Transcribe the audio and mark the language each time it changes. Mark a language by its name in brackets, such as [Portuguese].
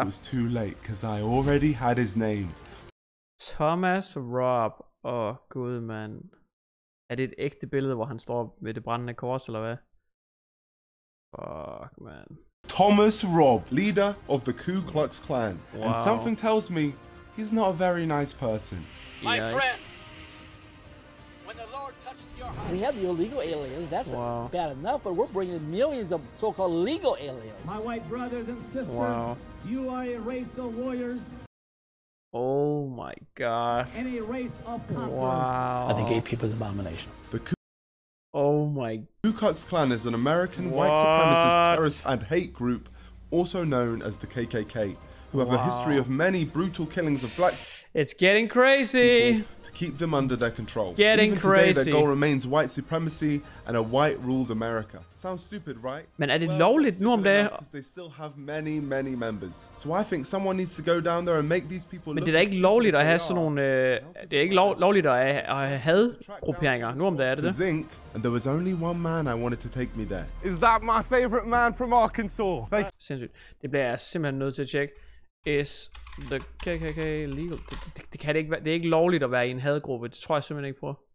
[English] It was too late, because I already had his name. [Danish] Thomas Robb. Åh, gud, mand. Er det et ægte billede, hvor han står ved det brændende kors, eller hvad? Fuck, mand. [English] Thomas Robb, leader of the Ku Klux Klan. Wow. And something tells me, he's not a very nice person. My friend. We have the illegal aliens, that's bad enough, but we're bringing millions of so-called legal aliens. My white brothers and sisters, you are a race of warriors. Oh my gosh. Any race of conquerors. Wow. I think gay people is an abomination. Ku Klux Klan is an American white supremacist terrorist and hate group, also known as the KKK, who have a history of many brutal killings of black It's getting crazy. People. Keep them under their control. Getting Even crazy. Today, their goal remains white supremacy and a white-ruled America. Sounds stupid, right? [Danish] Men er det lovligt nu om dagen? Because [English] they still have many, many members. So I think someone needs to go down there and make these people. [Danish] Men det er ikke lovligt at have sådan nogle. Det er ikke lovligt at have grupperinger nu om dagen, er det det? [English] Zinc. And there was only one man I wanted to take me there. Is that my favorite man from Arkansas? Thank you. [Danish] Sindssygt. Det bliver jeg simpelthen nødt til at tjekke. [English] Is the KKK legal? [Danish] Det kan det ikke være. Det er ikke lovligt at være i en hadgruppe. Det tror jeg simpelthen ikke på.